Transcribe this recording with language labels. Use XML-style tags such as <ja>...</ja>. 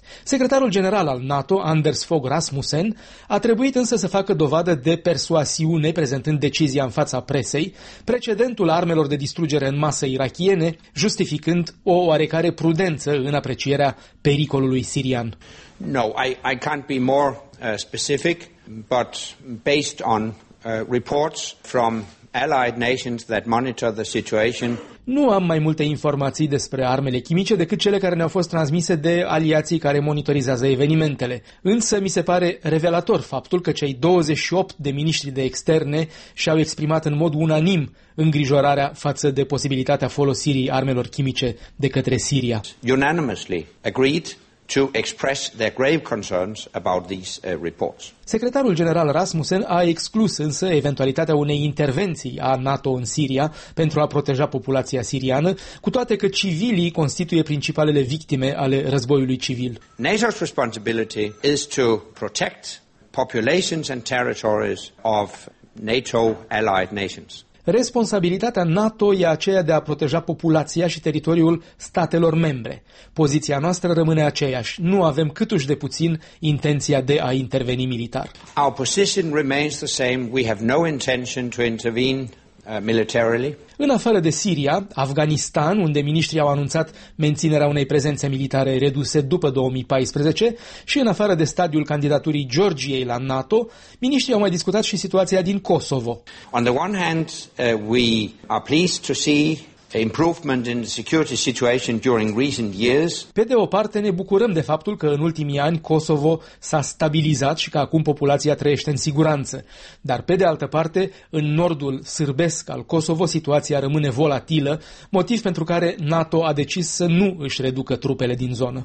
<ro>Secretarul general al NATO, Anders Fogh Rasmussen, a trebuit însă să facă dovadă de persuasiune prezentând decizia în fața presei, precedentul armelor de distrugere în masă irachiene, justificând o oarecare prudență în aprecierea pericolului sirian.</ro> <en>No, I can't be more specific, but based on reports from allied nations that monitor the situation.</en> <ro>Nu am mai multe informații despre armele chimice decât cele care ne-au fost transmise de aliații care monitorizează evenimentele. Însă mi se pare revelator faptul că cei 28 de miniștri de externe și-au exprimat în mod unanim îngrijorarea față de posibilitatea folosirii armelor chimice de către Siria.</ro> <en>Unanimously agreed to express their grave concerns about these reports.</en> <ro>Secretarul general Rasmussen a exclus însă eventualitatea unei intervenții a NATO în Siria pentru a proteja populația siriană, cu toate că civilii constituie principalele victime ale războiului civil.</ro> <en>NATO's responsibility is to protect populations and territories of NATO allied nations.</en> <ro>Responsabilitatea NATO e aceea de a proteja populația și teritoriul statelor membre. Poziția noastră rămâne aceeași. Nu avem câtuși de puțin intenția de a interveni militar.</ro> <en>Our position remains the same. We have no intention to intervene militarily.</en> <ro>În afară de Siria, Afganistan, unde miniștrii au anunțat menținerea unei prezențe militare reduse după 2014, și în afară de stadiul candidaturii Georgiei la NATO, miniștrii au mai discutat și situația din Kosovo.</ro> <en>On the one hand, we are pleased to see improvement in the security situation during recent years.</en> <ro>Pe de o parte, ne bucurăm de faptul că în ultimii ani Kosovo s-a stabilizat și că acum populația trăiește în siguranță. Dar pe de altă parte, în nordul sârbesc al Kosovo, situația rămâne volatilă, motiv pentru care NATO a decis să nu își reducă trupele din zonă.</ro>